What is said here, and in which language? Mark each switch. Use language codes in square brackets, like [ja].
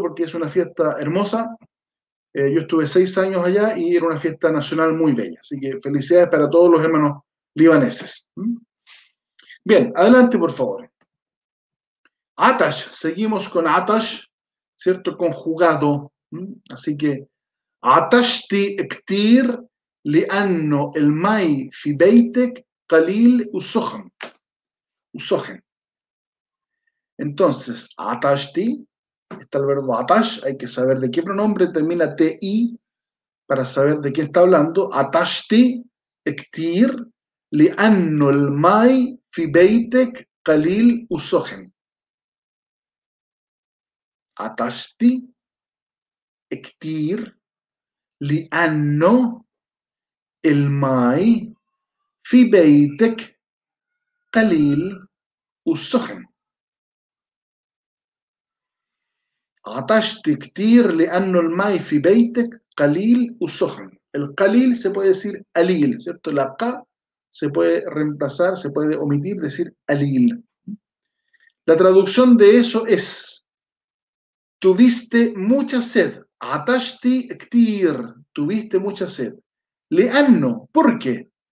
[es] Porque es una fiesta hermosa. Yo estuve 6 años allá y era una fiesta nacional muy bella. Así que, felicidades para todos los hermanos libaneses. Bien, adelante por favor. Atash, seguimos con atash, ¿cierto? Conjugado. Así que [ar] عطشتي كتير لأنه المي في بيتك قليل وسخن. وسخن. [es] Entonces, عطشتي, está el verbo عطش, hay que saber de qué pronombre termina T-I para saber de qué está hablando. [ar] عطشتي كتير لأنه المي في بيتك قليل وسخن. عطشتي كتير لأنه الماي في بيتك قليل وسخن. عطشت كتير لأنه الماي في بيتك قليل وسخن. [es] القليل se puede decir قليل, ¿cierto? La ق se puede reemplazar, se puede omitir, decir قليل. La traducción de eso es: tuviste mucha sed. [ar] عطشتي كتير, [es] tuviste mucha sed. لأنه, ¿por qué?